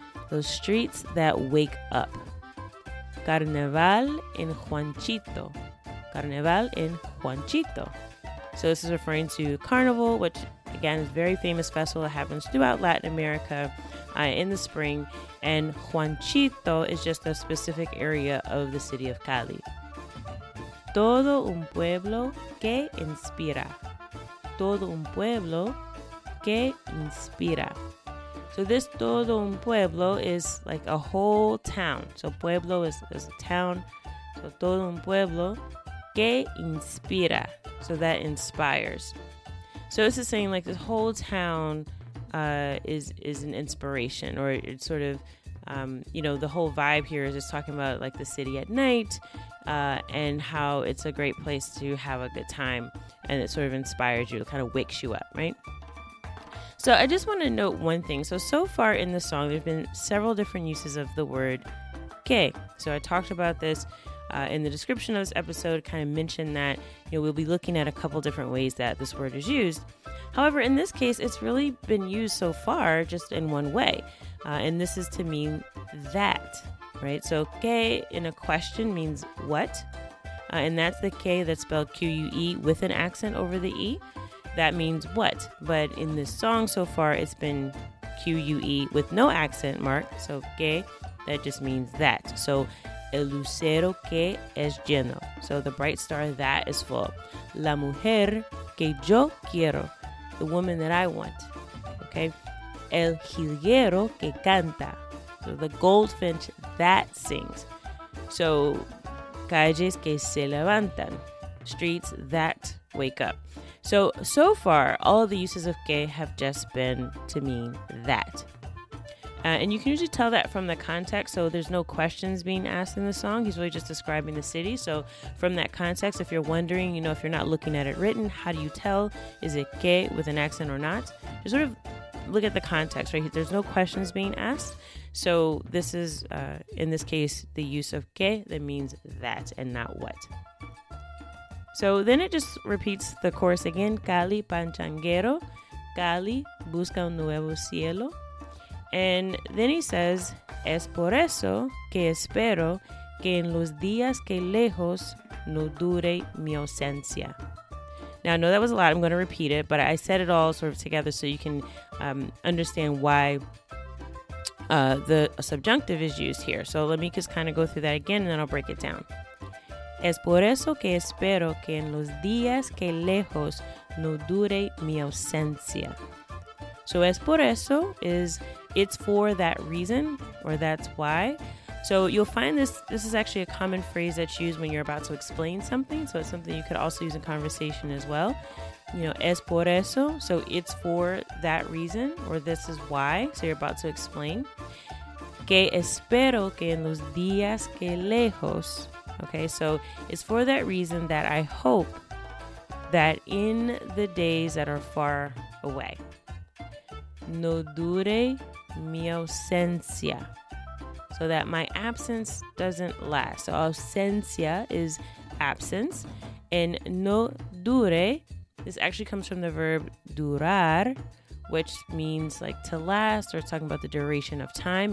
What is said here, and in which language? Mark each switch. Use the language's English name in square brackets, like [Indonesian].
[English] Those streets that wake up. Carnaval en Juanchito. [Spanish] Carnaval en Juanchito. [English] So this is referring to Carnival, which, again, is a very famous festival that happens throughout Latin America in the spring. And Juanchito is just a specific area of the city of Cali. [Spanish] Todo un pueblo que inspira. Todo un pueblo que inspira. [English] So this [Spanish] todo un pueblo [English] is like a whole town. So pueblo is a town. [Spanish] So todo un pueblo que inspira. [English] So that inspires. So this is saying like this whole town is an inspiration, or it's sort of, you know, the whole vibe here is just talking about like the city at night and how it's a great place to have a good time, and it sort of inspires you, it kind of wakes you up, right? So I just want to note one thing. So far in the song, there's been several different uses of the word que. So I talked about this in the description of this episode, kind of mentioned that, you know, we'll be looking at a couple different ways that this word is used. However, in this case, it's really been used so far just in one way. And this is to mean that, right? So que in a question means what. And that's the que that's spelled Q-U-E with an accent over the E. That means what. But in this song so far, it's been Q-U-E with no accent mark. So que, that just means that. [Spanish] So el lucero que es lleno. [English] So the bright star that is full. [Spanish] La mujer que yo quiero. [English] The woman that I want. Okay. [Spanish] El jilguero que canta. [English] So the goldfinch that sings. So [Spanish] calles que se levantan. [English] Streets that wake up. So far, all of the uses of que have just been to mean that. And you can usually tell that from the context. So there's no questions being asked in the song. He's really just describing the city. So from that context, if you're wondering, you know, if you're not looking at it written, how do you tell? Is it que with an accent or not? Just sort of look at the context, right? There's no questions being asked. So this is, in this case, the use of que that means that and not what. So then it just repeats the chorus again. [Spanish] Cali panchanguero. Cali busca un nuevo cielo. [English] And then he says, [Spanish] es por eso que espero que en los días que lejos no dure mi ausencia. [English] Now, I know that was a lot. I'm going to repeat it, but I said it all sort of together so you can understand why the subjunctive is used here. So let me just kind of go through that again, and then I'll break it down. [Spanish] Es por eso que espero que en los días que lejos no dure mi ausencia. So es por eso is... [English] it's for that reason, or that's why. So you'll find this is actually a common phrase that's used when you're about to explain something. So it's something you could also use in conversation as well. You know, [Spanish] es por eso. [English] So it's for that reason, or this is why. So you're about to explain. [Spanish] Que espero que en los días que lejos. [English] Okay, so it's for that reason that I hope that in the days that are far away. [Spanish] No dure mi ausencia, [English] so that my absence doesn't last. So ausencia is absence, and no dure, this actually comes from the verb durar, which means like to last, or it's talking about the duration of time.